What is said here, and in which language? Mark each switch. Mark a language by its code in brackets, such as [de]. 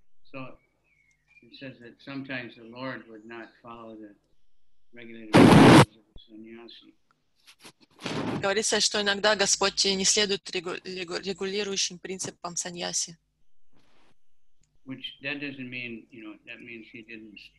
[en] So it says that sometimes the Lord would not follow the regulated principles of the sannyasi. [ru] Говорится, что иногда Господь не следует регулирующим принципам саньяси. [en] Which that doesn't mean, you know, that means he didn't.